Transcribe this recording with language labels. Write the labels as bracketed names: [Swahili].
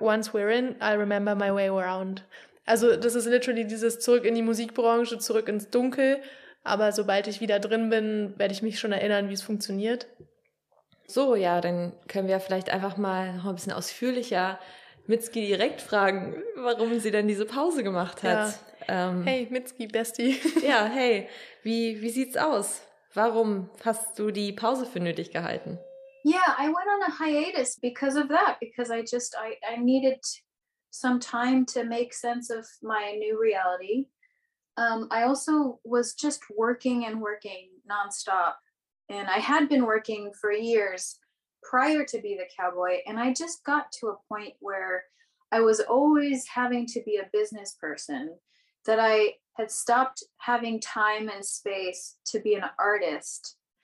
[English] Once we're in, I'll remember my way around. [German] Also das ist literally dieses zurück in die Musikbranche, zurück ins Dunkel. Aber sobald ich wieder drin bin, werde ich mich schon erinnern, wie es funktioniert. So, ja, dann können wir vielleicht einfach mal noch ein bisschen ausführlicher Mitski direkt fragen, warum sie denn diese Pause gemacht hat. Ja. Hey, Mitski, Bestie. Ja, hey, wie sieht's aus? Warum hast du die Pause für nötig gehalten? [English] Yeah, I went on a hiatus because of that, because I needed some time to make sense of my new reality. I also was just working and working nonstop, and I had been working for years prior to Be the Cowboy, and I just got to a point where I was always having to be a business person, that I had stopped having time and space to be an artist.